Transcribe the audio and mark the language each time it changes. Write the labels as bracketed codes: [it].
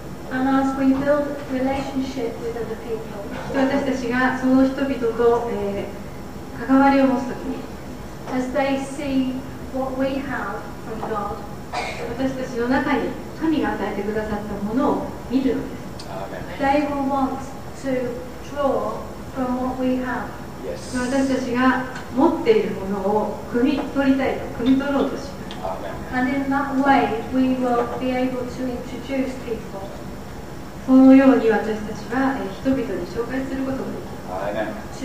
[en] And as we build relationship with other people, [ja] 私たちがその人々と、関わりを持つときに、 [en] as they see what we have from God, [ja] 私たちの中に神が与えてくださったものを見るのです。 [en] They will want to draw from what we have. Yes. [ja] 私たちが持っているものを汲み取りたいと、汲み取ろうとします。 [en] And in that way, we will be able to introduce people. [ja] そのように私たちは人々に紹介することができます。